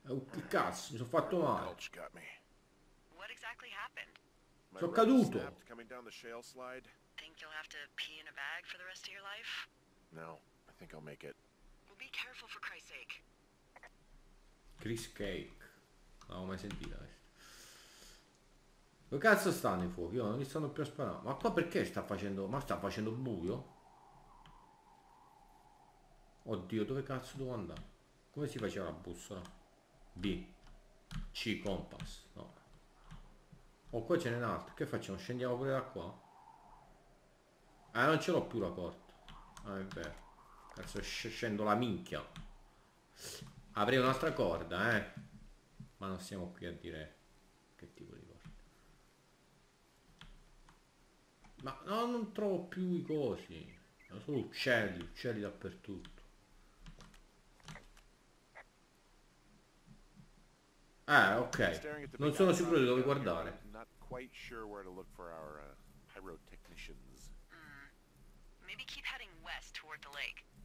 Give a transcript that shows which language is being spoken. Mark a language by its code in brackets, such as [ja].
[it] Che cazzo, mi sono fatto male. [en] What exactly happened? [it] Sono [en] My rope snapped [it] caduto. [en] coming down the shale slide. Think you'll have to pee in a bag for the rest of your life? No, I think I'll make it. Well, be careful for Christ's sake. Chris Cake. [it] Non l'avevo mai sentita questa. Dove cazzo stanno i fuochi? Io non li stanno più a sparare. Ma qua perché sta facendo... Ma sta facendo buio? Oddio, dove cazzo devo andare? Come si faceva la bussola? B. C compass. No. O qua ce n'è un altro. Che facciamo? Scendiamo pure da qua? Non ce l'ho più la porta. Ah, è vero. Cazzo, scendo la minchia. Avrei un'altra corda, eh. Ma non siamo qui a dire che tipo di corda. Ma no, non trovo più i cosi. Sono uccelli, uccelli dappertutto. Ok. Non sono sicuro di dove guardare. [en] Quite sure where to look for our pyrotechnicians. Maybe keep heading west toward the lake.